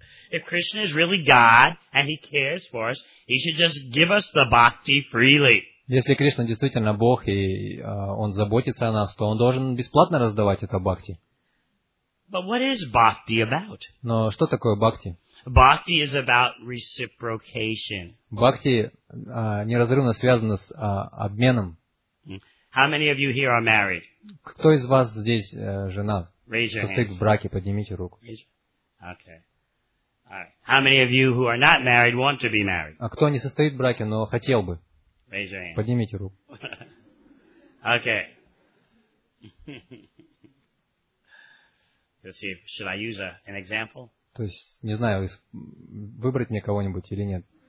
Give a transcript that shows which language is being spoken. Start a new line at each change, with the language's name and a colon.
English: If Krishna is really God and he cares for us, he should just give us the bhakti freely.
Russian: Если Кришна действительно Бог и он заботится о нас, то он должен бесплатно раздавать это бхакти.
English: But what is bhakti about?
Russian: Но что такое бхакти?
English: Bhakti is about reciprocation.
Russian: Бхакти неразрывно связано с обменом.
English: How many of you here are married?
Russian: Кто из вас здесь женат?
English: Raise your hand.
Russian: Кто в браке, поднимите руку.
English: Okay. Alright. How many of you who are not married want to be married?
Russian: А кто не состоит в браке, но хотел бы?
English: Raise your hand.
Russian: Поднимите руку.
English: Okay. Let's see. Should I use an example?
Russian: То есть, не знаю, выбрать мне кого-нибудь или нет.